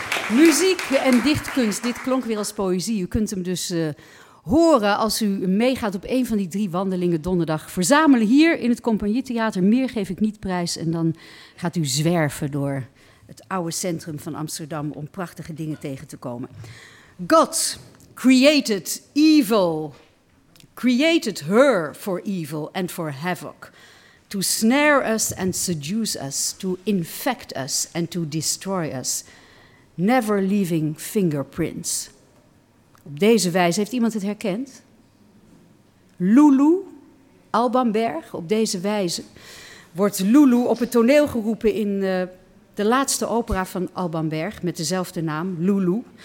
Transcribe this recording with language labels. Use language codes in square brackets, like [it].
[nl] Muziek en dichtkunst, dit klonk weer als poëzie. U kunt hem dus horen als u meegaat op een van die drie wandelingen donderdag. Verzamelen hier in het Compagnietheater, meer geef ik niet prijs. En dan gaat u zwerven door het oude centrum van Amsterdam om prachtige dingen tegen te komen. [en] God created evil, created her for evil and for havoc. To snare us and seduce us, to infect us and to destroy us. Never leaving fingerprints. [nl] Op deze wijze, heeft iemand het herkend? Lulu, Alban Berg, op deze wijze wordt Lulu op het toneel geroepen in de laatste opera van Alban Berg, met dezelfde naam, Lulu.